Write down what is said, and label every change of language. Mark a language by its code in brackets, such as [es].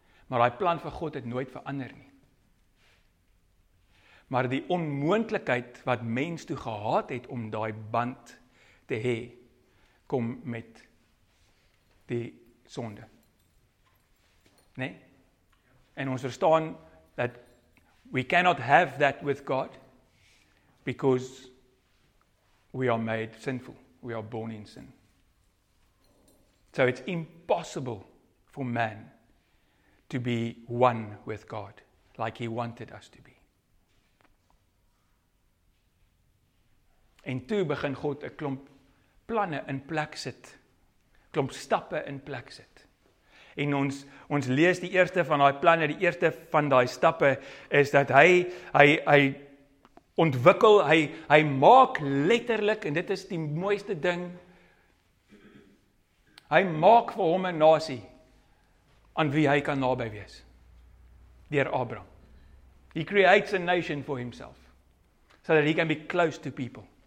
[af] Maar daai plan vir God het nooit verander nie. Maar die onmoontlikheid wat mens toe gehad het om daai band te hê, kom met die sonde. Né? En ons verstaan dat [en] we cannot have that with God because we are made sinful. We are born in sin. So it's impossible for man to be one with God like he wanted us to be. [af] En toe begin God 'n klomp planne in plek sit. Klomp stappe in plek sit. En ons lees die eerste van daai planne, die eerste van daai stappe is dat hy ontwikkel, hy maak letterlik en dit is die mooiste ding. Hy maak vir hom 'n nasie aan wie hy kan naby wees. Deur Abraham. [en] He creates a nation for himself so that he can be close to people.